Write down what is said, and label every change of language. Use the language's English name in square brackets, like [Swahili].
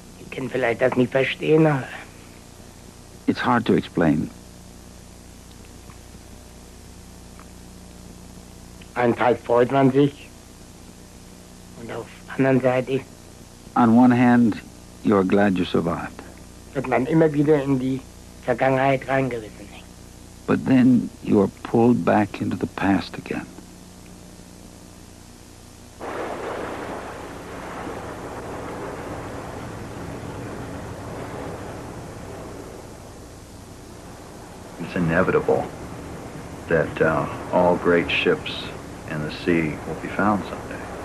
[English] It's hard to explain. [German] Ein Teil freut man sich. Und auf anderen Seite. [English] On one hand, you are glad you survived. [German] Wird man immer wieder in die Vergangenheit reingerissen. [English] But then you are pulled back into the past again. It's inevitable that all great ships in the sea will be found someday.